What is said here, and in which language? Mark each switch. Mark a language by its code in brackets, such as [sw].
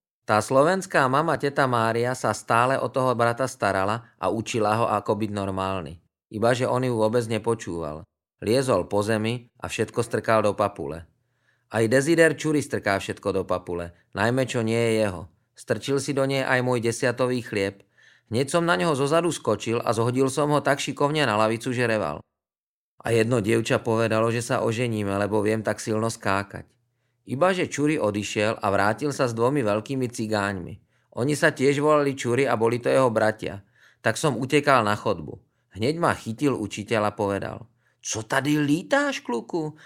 [sk] Tá slovenská mama, teta Mária, sa stále o toho brata starala a učila ho, ako byť normálny. Ibaže on ju vôbec nepočúval. Liezol po zemi a všetko strkal do papule. Aj Desider Čury strká všetko do papule, najmä čo nie je jeho. Strčil si do nej aj môj desiatový chlieb. Hneď som na neho zozadu skočil a zhodil som ho tak šikovne na lavicu, že reval. A jedno dievča povedalo, že sa oženíme, lebo viem tak silno skákať. Ibaže Čury odišiel a vrátil sa s dvomi veľkými cigáňmi. Oni sa tiež volali Čury a boli to jeho bratia. Tak som utekal na chodbu. Hneď ma chytil učiteľ a povedal. [cs] Co tady lítáš, kluku?